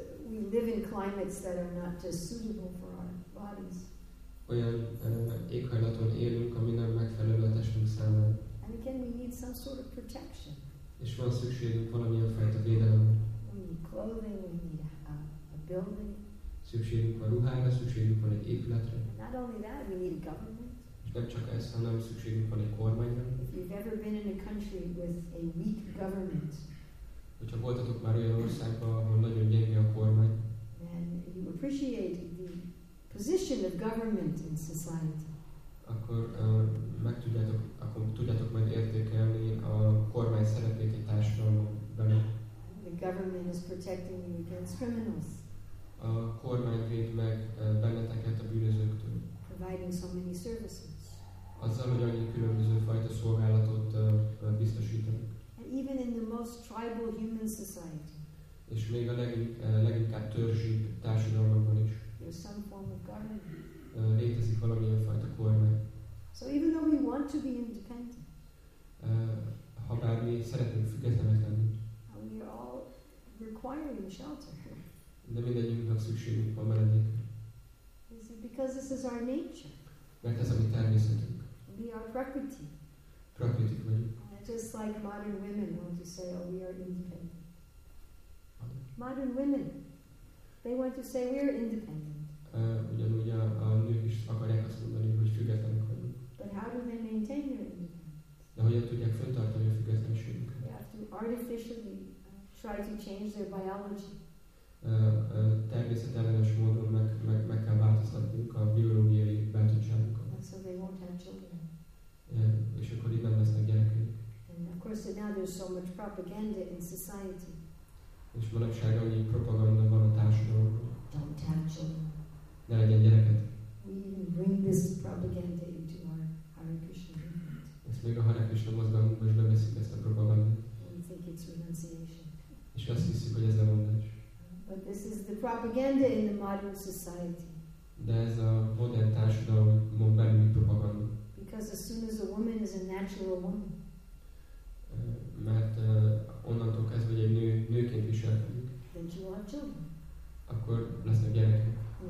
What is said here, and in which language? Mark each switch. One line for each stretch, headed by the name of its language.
English: We live in climates that are not just suitable for our bodies.
Hungarian: Olyan éghajlaton élünk, ami nem megfelelő a testünk számára.
English: And again, we need some sort of protection.
Hungarian: És van szükségünk valamilyen fajta védelemre.
English: We need clothing, we need a building.
Hungarian: Szükségünk van ruhára, szükségünk van egy épületre.
English: Not only that, we need a government.
Hungarian: És nem csak ez, hanem szükségünk van egy kormányra.
English: If you've ever been in a country with a weak government,
Hungarian: hogyha voltatok már olyan országban, ahol nagyon gyenge a kormány,
English: then you appreciate the position of government in society.
Hungarian: Akkor tudjátok majd értékelni a kormány szerepét egy társadalomban.
English: The government is protecting you against criminals.
Hungarian: A kormány véd meg benneteket a bűnözőktől.
English: Providing so many services.
Hungarian: Azzal, hogy annyi különböző fajta szolgálatot biztosítanak.
English: And even in the most tribal human society.
Hungarian: És még a leginkább törzsi társadalmakban is.
English: There's some form of government.
Hungarian: Létezik valamilyen fajta kormány.
English: So even though we want to be independent.
Hungarian: Ha bár mi szeretnénk függetlenek lenni.
English: We are all requiring shelter.
Hungarian: De mindegyünknek szükségünk van menedékre.
English: Is it because this is our nature?
Hungarian: Mert ez a mi természetünk.
English: We are prakriti.
Hungarian: Prakritik vagyunk.
English: Just like modern women want to say, oh, we are independent. Modern women, they want to say, we are independent.
Hungarian: Ugyanúgy a nők is akarják azt mondani, hogy függetlenek vagyunk.
English: But how do they maintain their independence?
Hungarian: De hogyan tudják fenntartani a függetlenségüket?
English: They have to artificially try to change their biology.
Hungarian: Természetellenes módon meg kell változtatnunk a biológiai beállítottságunkat.
English: So they won't have children.
Hungarian: Yeah, és akkor így nem lesznek gyerekeik.
English: And of course now there's so much propaganda in society.
Hungarian: És manapság annyi propaganda van a társadalomban.
English: Don't have children.
Hungarian: Ne legyen gyereket.
English: We even bring this propaganda into our Hare Krishna movement.
Hungarian: Ezt még a Hare Krishna mozgalomban is beveszik ezt a propagandát.
English: We think it's renunciation.
Hungarian: És azt hiszik, hogy ez lemondás.
English: But this is the propaganda in the modern society.
Hungarian: De ez a modern társadalomban belüli propaganda.
English: Because as soon as a woman is a natural woman.
Hungarian: Mert onnantól kezdve, hogy egy nőként viselkedik, akkor lesznek gyerekek.